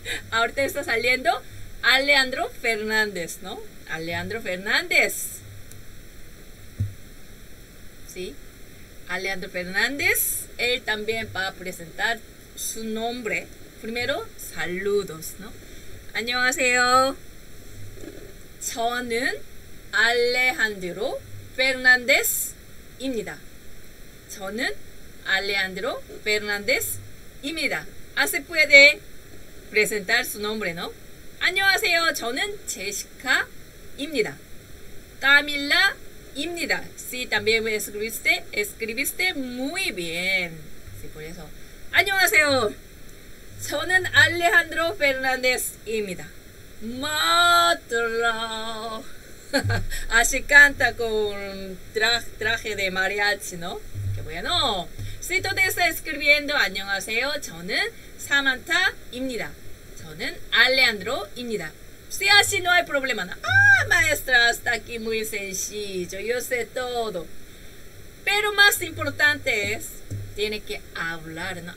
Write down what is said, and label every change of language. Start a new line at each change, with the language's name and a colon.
Spanish: Ahorita está saliendo Alejandro Fernández, ¿no? Alejandro Fernández. ¿Sí? Alejandro Fernández. Él también va a presentar su nombre. Primero, saludos, ¿no?
Korean: 안녕하세요. 저는 알레한드로 Fernández입니다. 저는 Alejandro Fernández입니다.
Spanish: Ah, se puede presentar su nombre, ¿no?
Korean: 안녕하세요. 저는 제시카입니다. Camila입니다.
Spanish: Sí, también escribiste muy bien. Sí, por eso.
Korean: 안녕하세요. 저는 Alejandro Fernández입니다.
Spanish: Mátala. Así canta con traje de mariachi, ¿no? Qué bueno. Sí, todo está escribiendo.
Korean: 안녕하세요. 저는 Samantha입니다. 저는 Alejandro입니다.
Spanish: Sí, así no hay problema, ¿no? Ah, maestra, hasta aquí muy sencillo. Yo sé todo. Pero más importante es, tiene que hablar, ¿no?